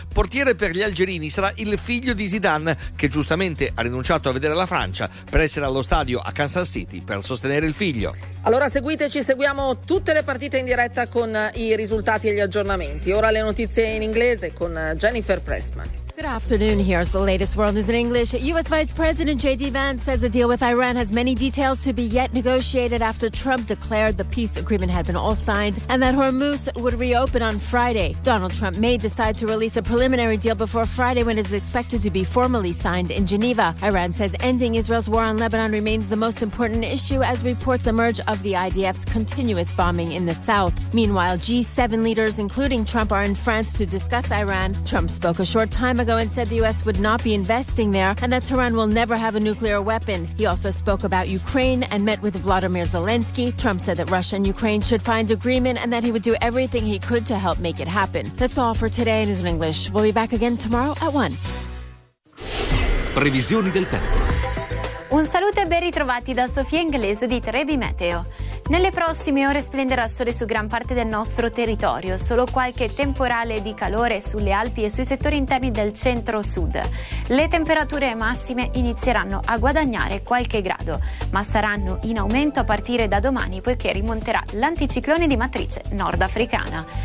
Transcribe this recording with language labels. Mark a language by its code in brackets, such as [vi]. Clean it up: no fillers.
[it] Portiere per gli algerini sarà il figlio di Zidane, che giustamente ha rinunciato a vedere la Francia per essere allo stadio a Kansas City per sostenere il figlio. Allora seguiteci, seguiamo tutte le partite in diretta con i risultati e gli aggiornamenti. Ora le notizie in inglese con Jennifer Pressman. [en] Good afternoon. Here's the latest world news in English. U.S. Vice President J.D. Vance says the deal with Iran has many details to be yet negotiated after Trump declared the peace agreement had been all signed and that Hormuz would reopen on Friday. Donald Trump may decide to release a preliminary deal before Friday when it is expected to be formally signed in Geneva. Iran says ending Israel's war on Lebanon remains the most important issue as reports emerge of the IDF's continuous bombing in the south. Meanwhile, G7 leaders, including Trump, are in France to discuss Iran. Trump spoke a short time ago and said the U.S. would not be investing there and that Tehran will never have a nuclear weapon. He also spoke about Ukraine and met with Vladimir Zelensky. Trump said that Russia and Ukraine should find agreement and that he would do everything he could to help make it happen. That's all for today in News in English. We'll be back again tomorrow at 1. [it] Previsioni del tempo. Un saluto e ben ritrovati da Sofia Inglese di Trebi Meteo. Nelle prossime ore splenderà il sole su gran parte del nostro territorio, solo qualche temporale di calore sulle Alpi e sui settori interni del centro-sud. Le temperature massime inizieranno a guadagnare qualche grado, ma saranno in aumento a partire da domani poiché rimonterà l'anticiclone di matrice nordafricana.